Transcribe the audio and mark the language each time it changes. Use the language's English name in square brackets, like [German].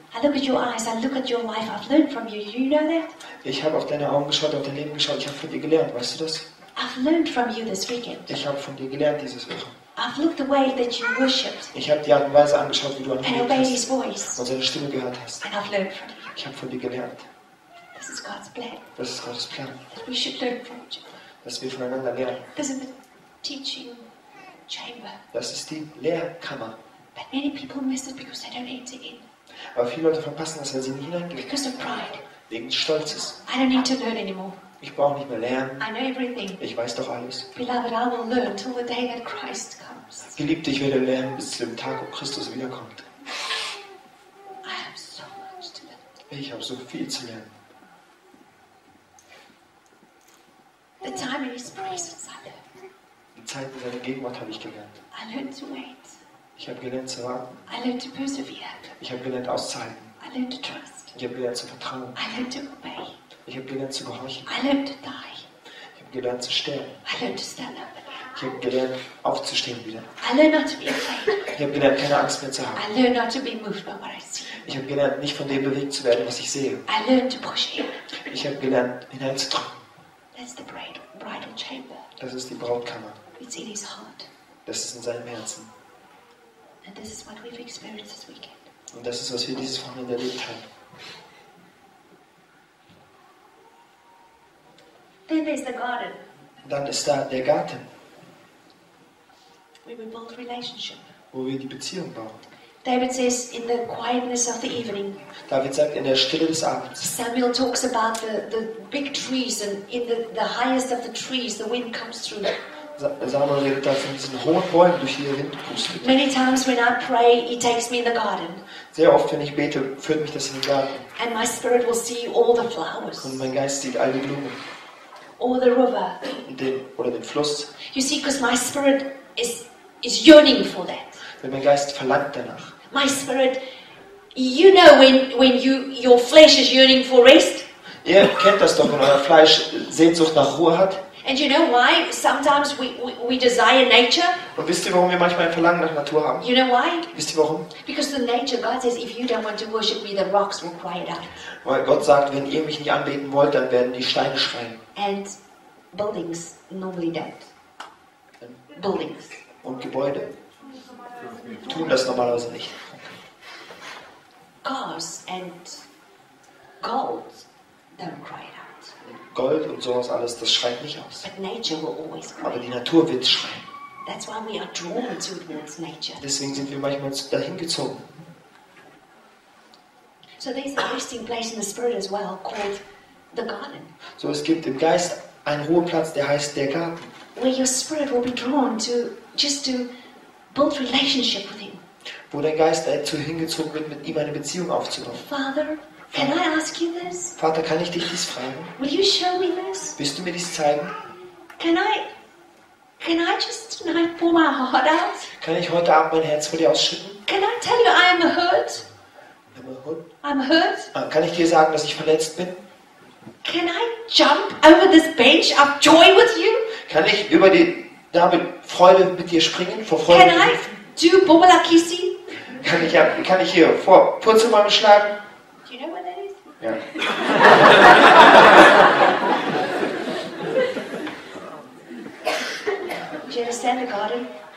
[English] I look at your eyes, I look at your life, I've learned from you. You know that? [German] Ich habe auf deine Augen geschaut, auf dein Leben geschaut, ich habe von dir gelernt, weißt du das? [English] I've learned from you this weekend. [German] Ich habe von dir gelernt dieses Wochenende. [English] I've looked the way that you worshipped. [German] Ich habe die Art und Weise angeschaut, wie du an ihn gelebt hast. [English] And obeyed his voice. [German] Und seine Stimme gehört hast. [English] And I've learned from you. [German] Ich habe von dir gelernt. [English] This is God's plan. [German] Das ist Gottes Plan. [English] That we should learn from each other. [German] Dass wir voneinander lernen. [English] This is the teaching chamber. [German] Das ist die Lehrkammer. [English] But many people miss it because they don't enter in. [German] Aber viele Leute verpassen das, weil sie nicht hineingehen. [English] Because of pride. [German] Wegen des Stolzes. [English] I don't need to learn anymore. [German] Ich brauche nicht mehr lernen. [English] I know everything. [German] Ich weiß doch alles. [English] Beloved, I will learn till the day that Christ comes. [German] Geliebte, ich werde lernen bis zum Tag, wo Christus wiederkommt. [English] I have so much to learn. [German] Ich habe so viel zu lernen. [English] The time in his presence, I learned. [German] Die Zeit in seiner Gegenwart habe ich gelernt. [English] I learned to wait. [German] Ich habe gelernt zu warten. [English] I learned to persevere. [German] Ich habe gelernt auszuhalten. [English] I learned to trust. [German] Ich habe gelernt zu vertrauen. [English] I learned to obey. [German] Ich habe gelernt zu gehorchen. [English] I learned to die. [German] Ich habe gelernt zu sterben. [English] I learned to stand up. [German] Ich habe gelernt aufzustehen wieder. [English] I learned not to be afraid. [German] Ich habe gelernt keine Angst mehr zu haben. [English] I learned not to be moved by what I see. [German] Ich habe gelernt nicht von dem bewegt zu werden, was ich sehe. [English] I learned to push in. [German] Ich habe gelernt hineinzudrücken. [English] That's the bridal chamber. [German] Das ist die Brautkammer. [English] It's in his heart. [German] Das ist in seinem Herzen. [English] And this is what we've experienced this weekend. [German] Und das ist, was wir dieses Wochenende erlebt haben. [English] Then there's the garden. [German] Dann ist da der Garten. [English] We will build relationship. [German] Wo wir die Beziehung bauen. [English] David says in the quietness of the evening. [German] David sagt in der Stille des Abends. [English] Samuel talks about the big trees and in the highest of the trees the wind comes through. [German] Samuel redet da von diesen hohen Bäumen, durch die der Wind pustet. [English] Many times when I pray, he takes me in the garden. [German] Sehr oft, wenn ich bete, führt mich das in den Garten. [English] And my spirit will see all the flowers. [German] Und mein Geist sieht all die Blumen. [English] Or the river. [German] Oder den Fluss. [English] You see, because my spirit is yearning for that. [German] Denn mein Geist verlangt danach. [English] My spirit, you know when you your flesh is yearning for rest. [German] Ihr kennt das doch, wenn euer Fleisch Sehnsucht nach Ruhe hat. [English] And you know why sometimes we desire nature? [German] Und wisst ihr, warum wir manchmal ein Verlangen nach Natur haben? [English] You know why? [German] Wisst ihr, warum? [English] Because the nature God says, if you don't want to worship me, the rocks will cry it out. [German] Weil Gott sagt, wenn ihr mich nicht anbeten wollt, dann werden die Steine schreien. [English] And buildings normally don't. Buildings. [German] Und Gebäude tun das normalerweise nicht. [English] Cars and gold don't cry it out. [German] Gold und sowas alles, das schreit nicht aus. [English] But nature will always cry. [German] Aber die Natur wird schreien. [English] That's why we are drawn towards nature. [German] Deswegen sind wir manchmal dahin gezogen. [English] So there's a resting place in the spirit as well called the garden. [German] So es gibt im Geist einen Ruheplatz, der heißt der Garten. [English] Where your spirit will be drawn to just to build relationship with him. [German] Wo dein Geist dazu hingezogen wird, mit ihm eine Beziehung aufzubauen. [English] Father, can I ask you this? [German] Vater, kann ich dich dies fragen? [English] Will you show me this? [German] Willst du mir dies zeigen? [English] Can I just tonight pour my heart out? [German] Kann ich heute Abend mein Herz vor dir ausschütten? [English] Can I tell you I am hurt? I'm hurt. [German] Kann ich dir sagen, dass ich verletzt bin? [English] Can I jump over this bench of joy with you? [German] Kann ich über die damit Freude mit dir springen, vor Freude? [English] Can I do bubalakisi? [German] Kann ich hier vor Purzelbäume schlagen? [English] Do you know where that is? [German] Ja. [English] Do you understand the garden?